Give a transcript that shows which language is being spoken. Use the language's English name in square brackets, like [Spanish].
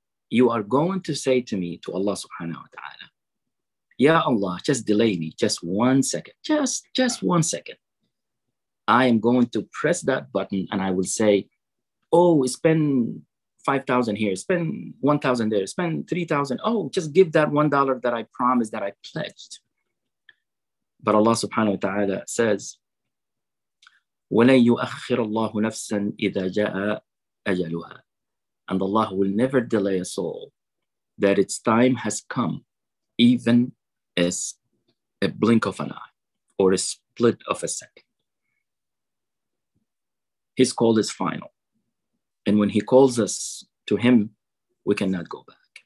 [English] you are going to say to me, to Allah subhanahu wa ta'ala, Ya Allah, just delay me, just 1 second, just 1 second. I am going to press that button and I will say, oh, spend 5,000 here, spend 1,000 there, spend 3,000. Oh, just give that $1 that I promised, that I pledged. But Allah subhanahu wa ta'ala says, [Arabic] وَلَنْ يُؤَخِّرَ اللَّهُ نَفْسًا إِذَا جَاءَ أَجَلُهَا. [English] And Allah will never delay a soul, that its time has come, even as a blink of an eye or a split of a second. His call is final. And when he calls us to him, we cannot go back.